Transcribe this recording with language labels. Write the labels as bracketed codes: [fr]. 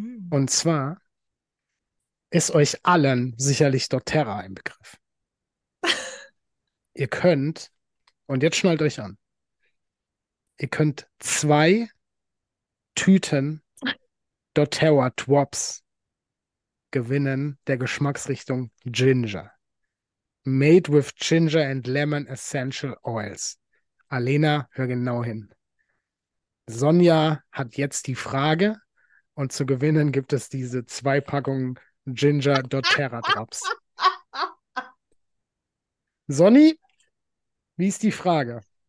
[de] Und zwar ist euch allen sicherlich doTERRA ein Begriff. Ihr könnt, und jetzt schnallt euch an, ihr könnt zwei Tüten doTERRA Twops gewinnen der Geschmacksrichtung Ginger. [en] Made with Ginger and Lemon Essential Oils. [de] Alena, hör genau hin. Sonja hat jetzt die Frage und zu gewinnen gibt es diese zwei Packungen Ginger doTERRA Drops. Sonny, wie ist die Frage?